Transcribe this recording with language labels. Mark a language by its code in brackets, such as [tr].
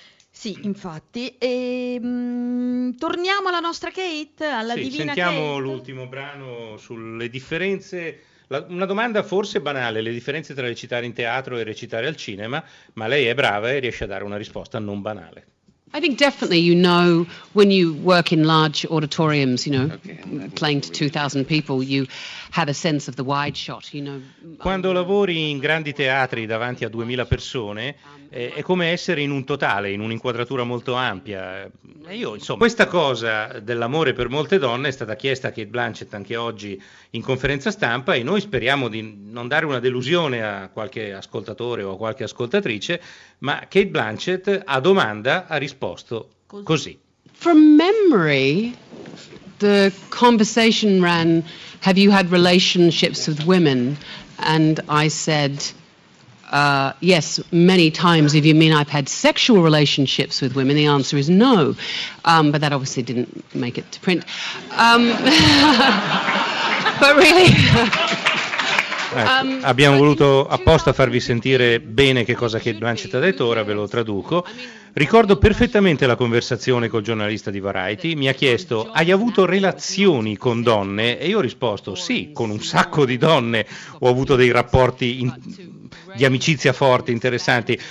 [it] Sì, infatti. E, torniamo alla nostra Kate, alla sì, divina sentiamo Kate. L'ultimo brano sulle differenze. Una domanda forse banale, le differenze tra recitare in teatro e recitare al cinema, ma lei è brava e riesce a dare una risposta non banale. [en] I think definitely you know when you work in large auditoriums, you know, playing to 2,000 people, you have a sense of the wide shot, you know. [it] Quando lavori in grandi teatri davanti a 2,000 persone, è come essere in un totale, in un'inquadratura molto ampia. E io, insomma, questa cosa dell'amore per molte donne è stata chiesta a Kate Blanchett anche oggi in conferenza stampa, e noi speriamo di non dare una delusione a qualche ascoltatore o a qualche ascoltatrice, ma Kate Blanchett a domanda ha risposto così. [en] From memory, the conversation ran, have you had relationships with women? And I said... yes, many times. If you mean I've had sexual relationships with women, the answer is no. But that obviously didn't make it to print. but really... [it] abbiamo voluto apposta farvi sentire bene che cosa Kate Blanchett ha detto, ora ve lo traduco. Ricordo perfettamente la conversazione col giornalista di Variety, mi ha chiesto: hai avuto relazioni con donne? E io ho risposto: sì, con un sacco di donne ho avuto dei rapporti di amicizia forti, interessanti.